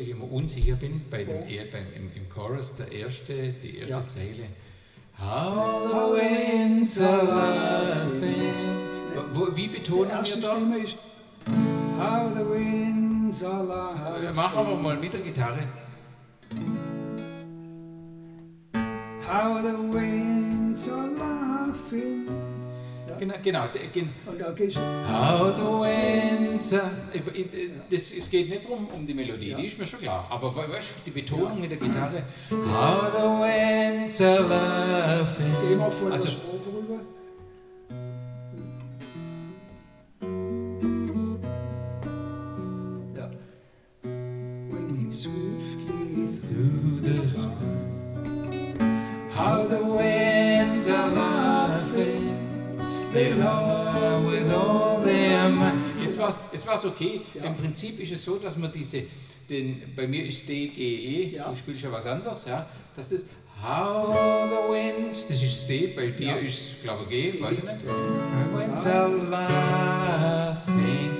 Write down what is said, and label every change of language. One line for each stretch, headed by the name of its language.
German: Unsicher bin bei dem im Chorus der erste ja. Zeile.
English: How the winds are laughing.
German: Wie betonen wir da?
English: How the winds are laughing.
German: Machen wir mal mit der Gitarre.
English: How the winds are laughing.
German: Genau. Und da gehst du.
English: How the winds are.
German: Es geht nicht um die Melodie, ja. Die ist mir schon klar. Aber weißt du, die Betonung mit der Gitarre.
English: How the winds are laughing.
German: Immer von der Strophe rüber. Ja.
English: When he swiftly through the sky. How the winds are laughing. They love with all their might.
German: Jetzt war's okay. Ja. Im Prinzip ist es so, dass man diese, denn bei mir ist D, G, E, ja. Du spielst ja was anderes, ja. Dass das,
English: how the winds,
German: das ist D, bei dir ja. Ist, glaube ich, G, weiß ich nicht. Ja.
English: How the winds are laughing.